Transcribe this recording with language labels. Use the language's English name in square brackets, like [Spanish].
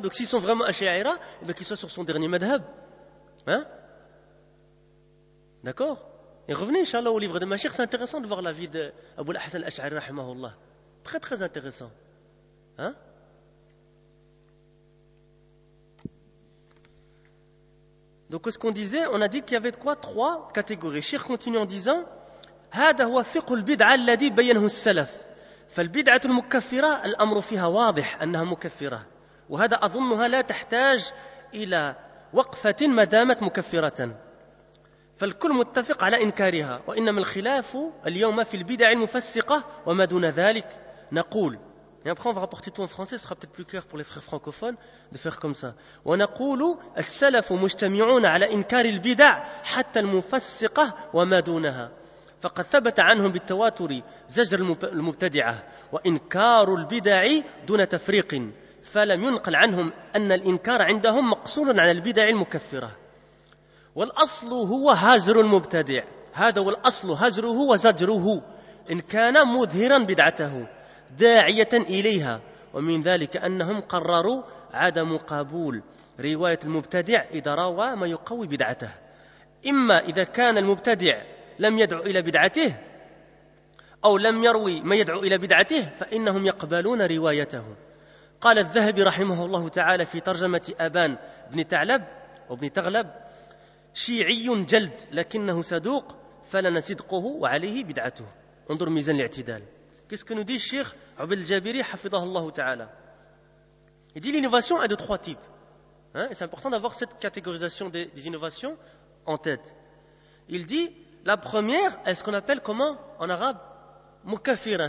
[French] Donc s'ils sont vraiment Ash'a'ira, eh bien qu'ils soient sur son dernier madhab. Hein? D'accord? Et revenez, Inch'Allah, au livre de Mashiach, c'est intéressant de voir la vie d'Abu al-Hassan al-Ash'ari, rahimahullah. Très, très intéressant. Hein? Donc, ce qu'on disait, on a dit qu'il y avait quoi? Trois catégories. Cheikh continue en disant, [Arabic] « هذا هو فقه البدعة الذي بينه السلف. فالبدعة المكفرة الأمر فيها واضح أنها مكفرة. وهذا أظنها لا تحتاج إلى وقفة ما دامت مكفرة. فالكل متفق على إنكارها وإنما الخلاف اليوم في البدع المفسقة وما دون ذلك نقول. [French] Et après on va rapporter tout en français, ce sera peut-être plus clair pour les frères francophones de faire comme ça. [Arabic] ونقول السلف مجتمعون على إنكار البدع حتى المفسقة وما دونها. فقد ثبت عنهم بالتواتر زجر المبتدعة وإنكار البدع دون تفريق. فلم ينقل عنهم أن الإنكار عندهم مقصور على البدع المكفرة. والأصل هو هزر المبتدع. هذا هو الأصل. هزره وزجره إن كان مظهرا بدعته داعية إليها. ومن ذلك أنهم قرروا عدم قبول رواية المبتدع إذا روى ما يقوي بدعته. إما إذا كان المبتدع لم يدعو إلى بدعته أو لم يروي ما يدعو إلى بدعته فإنهم يقبلون روايته. قال الذهبي رحمه الله تعالى في ترجمة أبان بن تعلب وابن تغلب شيعي جلد لكنه صدوق فلنا صدقه وعليه بدعته. انظر ميزان الاعتدال. [French] Qu'est-ce que nous dit Cheikh Abd al-Jabiri [Arabic] حفظه الله تعالى? [French] Il dit l'innovation est de trois types. Hein? C'est important d'avoir cette catégorisation des innovations en tête. Il dit la première est ce qu'on appelle comment en arabe? Mukaffira.